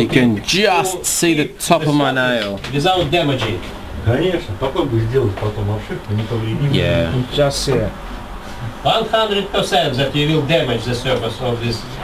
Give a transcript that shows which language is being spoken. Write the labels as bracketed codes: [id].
[en] You can just see the top of my nail. Without damaging. [ru] Конечно, попробуй сделать потом обшивку, не повредим. [en] Yeah. Just see. 100% that you will damage the surface of this